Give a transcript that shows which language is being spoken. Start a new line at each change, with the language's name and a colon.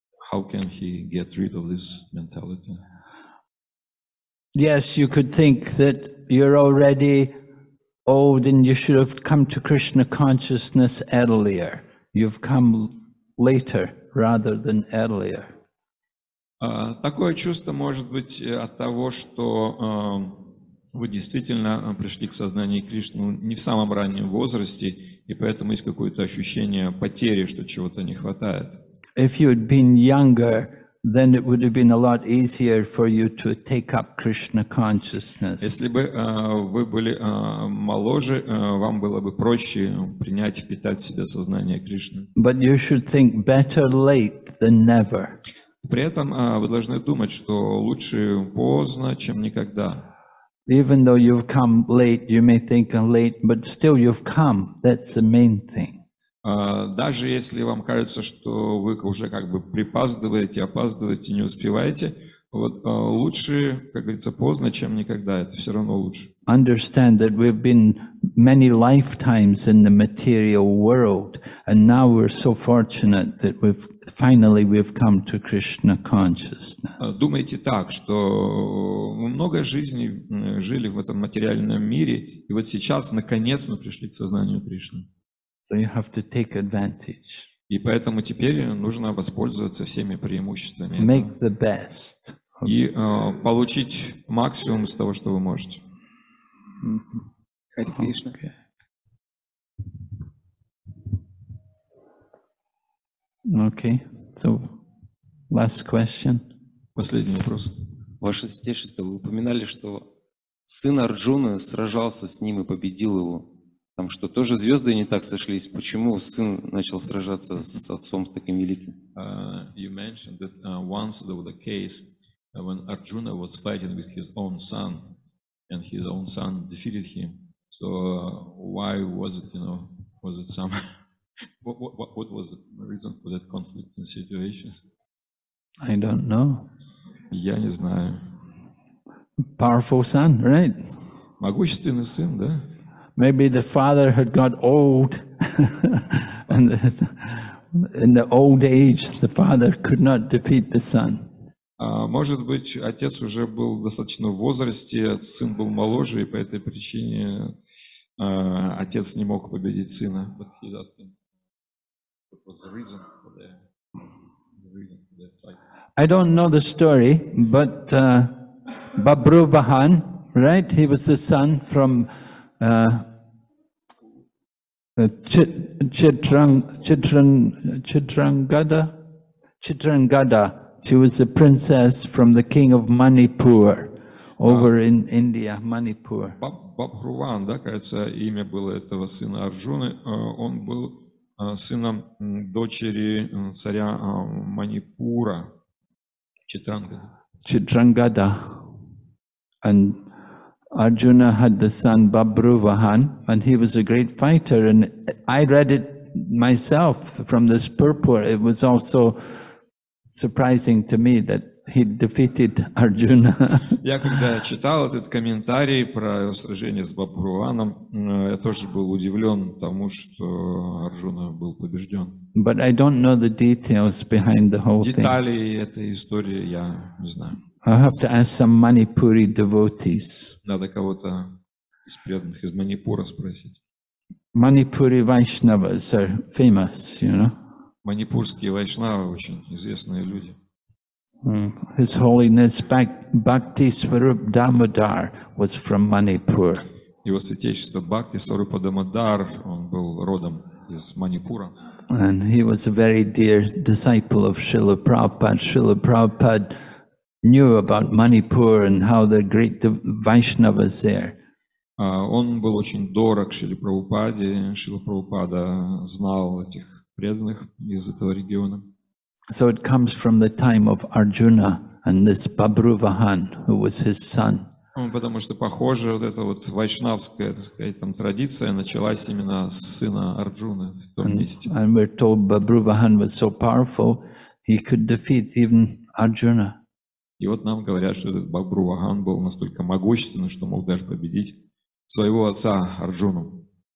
English: How can he get rid of this mentality? Yes, you could think that you're already old and you should have come to Krishna consciousness earlier. You've come later rather than earlier.
Russian: Такое чувство может быть от того, что вы действительно пришли к сознанию Кришны не в самом раннем возрасте, и поэтому есть какое-то ощущение потери, что чего-то не хватает.
English: If you had been younger, then it would have been a lot easier for you to take up Krishna consciousness.
Russian: Если бы вы были моложе, вам было бы проще принять, впитать в себя сознание Кришны.
English: But you should think better late than never.
Russian: При этом вы должны думать, что лучше поздно, чем никогда.
English: Even though you've come late, you may think I'm late, but still you've come. That's the main thing.
Russian: Даже если вам кажется, что вы уже как бы опаздываете, не успеваете, вот лучше, как говорится, поздно, чем никогда. Это все равно лучше.
English: Understand that we've been many lifetimes in the material world, and now we're so fortunate that we've come to Krishna consciousness.
Russian: Думайте так, что мы много жизней жили в этом материальном мире, и вот сейчас, наконец, мы пришли к сознанию Кришны.
English: So you have to take advantage.
Russian: И поэтому теперь нужно воспользоваться всеми преимуществами.
English: Make the best.
Russian: И получить максимум из того, что вы можете. Хари Кришна.
English: Okay. Okay, so last question.
Russian: Последний вопрос. Ваше святейшество, вы упоминали, что сын Арджуны сражался с ним и победил его. Там что, тоже звезды не так сошлись? Почему сын начал сражаться с отцом таким великим?
English: You mentioned that once there was a case when Arjuna was fighting with his own son and his own son defeated him. So why was it, you know, was it some... What was the reason for that conflict in situations? I don't know.
Russian: Я не знаю.
English: Powerful son, right?
Russian: Могущественный сын, да?
English: Maybe the father had got old, and in the old age, the father could not defeat the son.
Russian: Может быть, отец уже был достаточно в возрасте, сын был моложе, и по этой причине отец не мог победить сына.
English: But he asked him. I don't know the story, but Babru Bahan, right? He was the son from Chitrangada. She was the princess from the king of Manipur. over in India, Manipur.
Russian: Бабхруван, да, кажется, имя было этого сына Арджуны. Он был сыном дочери царя Манипура, Читрангада. Читрангада.
English: And Arjuna had the son Бабхруван, and he was a great fighter. And I read it myself from this purport. It was also surprising to me that he defeated Arjuna.
Russian: Я когда читал этот комментарий про сражение с Бабхруваном, я тоже был удивлен тому, что Арджуна был побежден.
English: But I don't know the details behind the whole thing.
Russian: Детали этой истории я не знаю.
English: I have to ask some Manipuri devotees.
Russian: Надо кого-то из преданных из Манипура спросить.
English: Manipuri Vaishnavas are famous, you know.
Russian: Манипурские вайшнавы очень известные люди.
English: His Holiness Bhakti Swarup Damodar was from Manipur.
Russian: Его святейшество Бхакти Сварупа Дамодар, он был родом из Манипура.
English: And he was a very dear disciple of Srila Prabhupada. Srila Prabhupada knew about Manipur and how the great Vaishnavas there.
Russian: Он был очень дорог Шриле Прабхупаде. Шрила Прабхупада знал этих преданных из этого региона.
English: So it comes from the time of Arjuna and this Бабхруван, who was his son.
Russian: Потому что похоже, вот эта вот вайшнавская, так сказать, там традиция началась именно с сына Арджуны в том месте.
English: And we're told Бабхруван was so powerful, he could defeat even Arjuna.
Russian: И вот нам говорят, что этот Бабхруван был настолько могущественным, что мог даже победить своего отца Арджуну.